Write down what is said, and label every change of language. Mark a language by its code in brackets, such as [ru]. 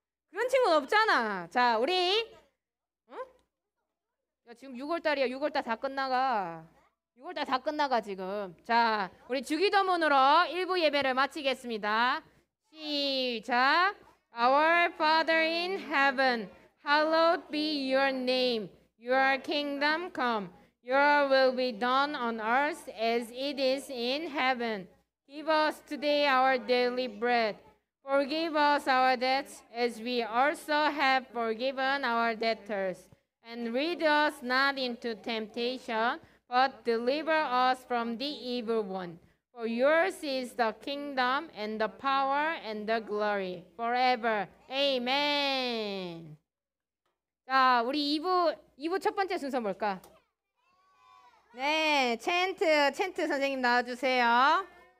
[ko] 그런 친구는 없잖아. 자, 우리. 어? 야, 지금 6월달이야. 6월달 다 끝나가. 6월달 다 끝나가 지금. 자, 우리 주기도문으로 1부 예배를 마치겠습니다. 시작. [en] Our Father in heaven, hallowed be your name. Your kingdom come. Your will be done on earth as it is in heaven. Give us today our daily bread. Forgive us our debts as we also have forgiven our debtors. And lead us not into temptation, but deliver us from the evil one. For yours is the kingdom and the power and the glory forever. Amen. [ko] 자, 우리 2부 첫 번째 순서 뭘까? 네, 첸트 선생님 나와주세요.